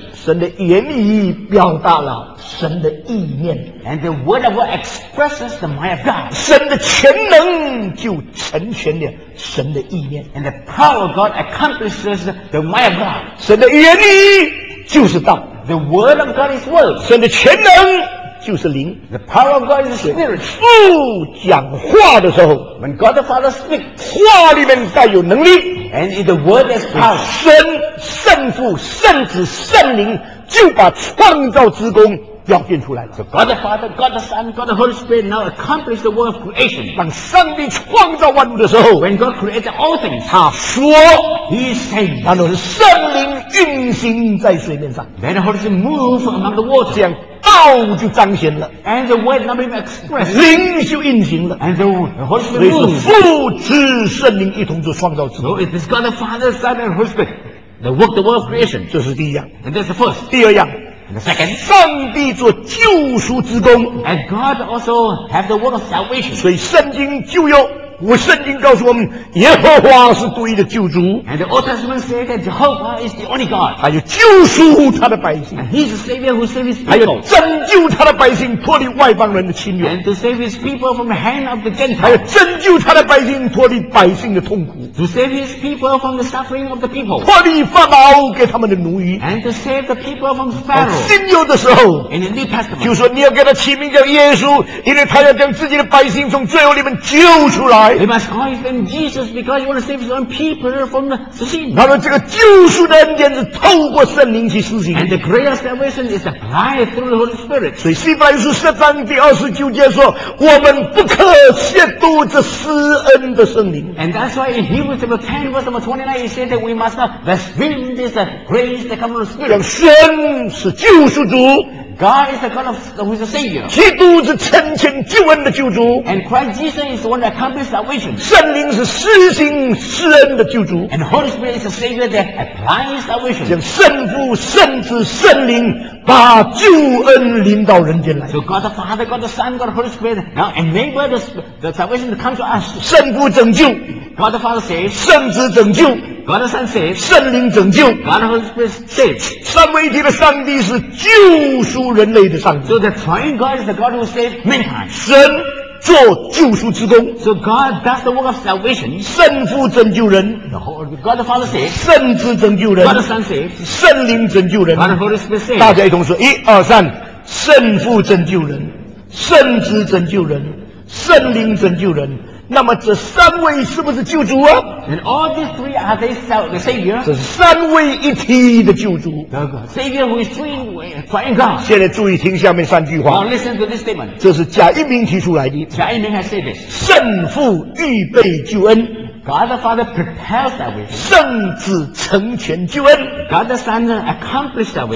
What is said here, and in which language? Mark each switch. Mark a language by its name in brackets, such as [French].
[Chinese] 神的言语表达了神的意念 [English] And the word of God expresses the mind of God [Chinese] 神的全能就成全了神的意念 [English] And the power of God accomplishes the mind of God [Chinese] 神的言语就是道 [English] The word of God is word [Chinese] 神的全能就是灵 [English] The power of God is spirit [Chinese] 父讲话的时候 [English] When God the Father speaks [Chinese] 话里面带有能力 [English] And the word is power [Chinese] 神圣父圣子圣灵就把创造之功表现出来了 [English] So God the Father, God the Son, God the Holy Spirit now accomplish the work of creation [Chinese] 当上帝创造万物的时候 [English] When God created all things [Chinese] 他说 [English] He said [Chinese] 然后是圣灵运行在水面上 [English] Then the Holy Spirit moves among the water [Chinese] 这样道就彰显了 [English] And the word now being expressed [Chinese] 灵就运行了 [English] And the Holy Spirit moves [Chinese] 所以是父子圣灵一同做创造之功 [English] So it is God the Father, Son and Holy Spirit The work, the work of creation [Chinese] 这是第一样 [English] And that's the first [Chinese] 第二样 [English] The second, [Chinese] 上帝做救赎之功 [English] And God also have the word of salvation [Chinese] 所以圣经旧约我圣经告诉我们耶和华是独一的救主 [English] And the Old Testament said that Jehovah is the only God [Chinese] 他就救赎他的百姓 [English] And he's the savior who saves his people [Chinese] 他要拯救他的百姓脱离外邦人的侵略 [English] And to save his people from the hand of the Gentiles [Chinese] 他要拯救他的百姓脱离百姓的痛苦 [English] To save his people from the suffering of the people [Chinese] 脱离法老给他们的奴役 [English] And to save the people from Pharaoh [Chinese] 新约的时候 [English] In the New Testament [Chinese] 就说你要给他起名叫耶稣因为他要将自己的百姓从罪恶里面救出来 [English] You must call his name Jesus because you want to save his own people from the sin. [Chinese] 然后这个救赎的恩典是透过圣灵去施行。 [English] And the grace of salvation is applied through the Holy Spirit. [Chinese] 所以希伯来书十章第二十九节说：“我们不可亵渎这施恩的圣灵。 [English] ”And that's why in Hebrews chapter 10 verse 29 he said that we must not blaspheme this grace that comes from the Spirit. [Chinese] 神是救赎主。 [English] God is the God of, who is the Savior. [Chinese] 基督是成全救恩的救主。 [English] And Christ Jesus is the one that accomplished salvation. [Chinese] 圣灵是施行施恩的救主。 [English] And Holy Spirit is the Savior that applies salvation. [Chinese] 将圣父、圣子、圣灵把救恩临到人间来。 [English] So God the Father, God the Son, God the Holy Spirit now enable the salvation to come to us. [Chinese] 圣父拯救。 [English] God the Father saves. [Chinese] 圣子拯救。 [English] God the Son saves. [Chinese] 圣灵拯救。 [English] God the Holy Spirit saves. [Chinese] 三位一体的上帝是救赎。人类的上帝 [English] So the triune God is the God who saved mankind [Chinese] 神做救赎之功 [English] So God does the work of salvation [Chinese] 圣父拯救人 [English] God the Father saves [Chinese] 圣子拯救人 [English] God the Son saves [Chinese] 圣灵拯救人 [English] God the Holy Spirit saves [Chinese] 大家一同说一二三圣父拯救人圣子拯救人圣灵拯救人那么这三位是不是救主啊 [English] And all these three are they the Savior? [Chinese] 这三位一体的救主 [English] The Savior who is three triune God [Chinese] 现在注意听下面三句话 [English] Now listen to this statement [Chinese] 这是贾一鸣提出来的 [English] 贾一鸣 has said this [Chinese] 圣父预备救恩 [English] God the Father prepares that way [Chinese] 圣子成全救恩 [English] God the Son accomplished that way